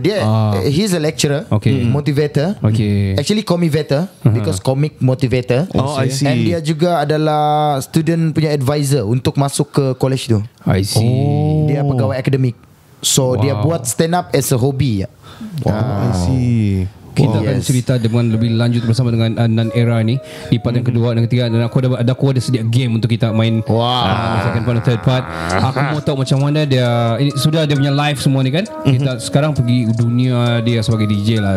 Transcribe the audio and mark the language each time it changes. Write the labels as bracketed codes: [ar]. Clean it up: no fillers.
[en] Dia he's a lecturer, motivator. Okay. Actually comivator because comic motivator. I see. [ms] And dia juga adalah student punya advisor untuk masuk ke college tu. [en] I see. [ms] Dia pegawai akademik. [en] So [ms] dia buat [en] stand up as a hobby. I see. [ms] Kita akan cerita dengan lebih lanjut bersama dengan Nan Era ni di part yang kedua dan ketiga, dan aku ada sedia game untuk kita main. [en] Second part, third part. [ms] Aku mau tahu macam mana dia ini, sudah dia punya live semua ni kan. Kita sekarang pergi dunia dia sebagai DJ lah.